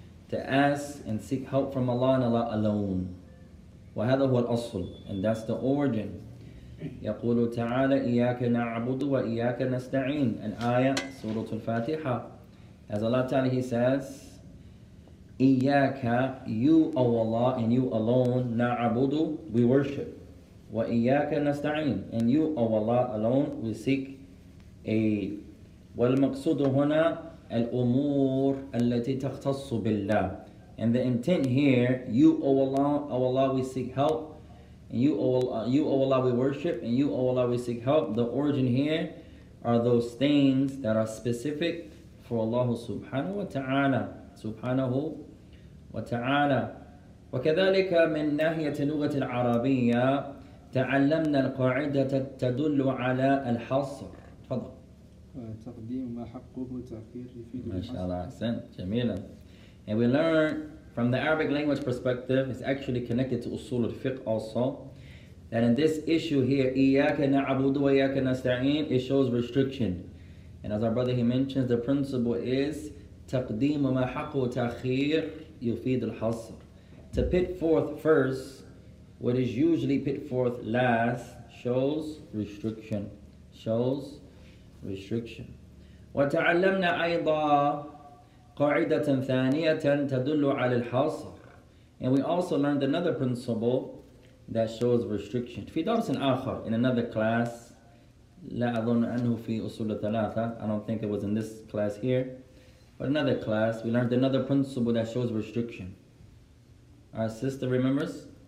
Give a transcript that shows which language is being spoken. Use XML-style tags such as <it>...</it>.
<en>To ask and seek help from Allah and Allah alone.</en> <ar>وهذا هو الأصل.</ar> <en>And that's the origin.</en> <ar>يقول تعالى إياك نعبد وإياك نستعين.</ar> <en>An ayah,</en> <ar>سورة الفاتحة.</ar> <en>As Allah تعالى He says, إِيَّاكَ you, O Allah, and you alone, نَعَبُدُ, we worship.</en> <ar>وَإِيَّاكَ نَسْتَعِينَ,</ar> <en>and you, O Allah, alone, we seek aid.</en> <ar>وَالْمَقْصُدُ هُنَا الْأُمُورُ الَّتِي تَخْتَصُّ بِاللَّهِ.</ar> <en>And the intent here, you, O Allah, we seek help, and you, O Allah, we worship, and you, O Allah, we seek help. The origin here are those things that are specific for Allah subhanahu wa ta'ala.</en> <ar>سبحانه وتعالى وكذلك من ناحية اللغة العربية تعلمنا القاعدة تدل على الحصر تفضل تقديم ما حقه تأخير يفيد ما شاء الله حسن جميلا</ar> <en>and we learn from the Arabic language perspective it's actually connected to أصول الفقه also that in this issue here</en> <ar>إياك نعبد وإياك نستعين</ar> <en>it shows restriction and as our brother he mentions the principle is</en> <ar>تقديم ما حقه تأخير يفيد الحصر.</ar> <en>To put forth first what is usually put forth last shows restriction. Shows restriction.</en> <ar>وتعلمنا أيضا قاعدة ثانية تدل على الحصر.</ar> <en>And we also learned another principle that shows restriction.</en> <ar>في درس آخر</ar> <en>in another class.</en> <ar>لا أظن أنه في أصول ثلاثة.</ar> <en>I don't think it was in this class here. But another class, we learned another principle that shows restriction. Our sister remembers?</en>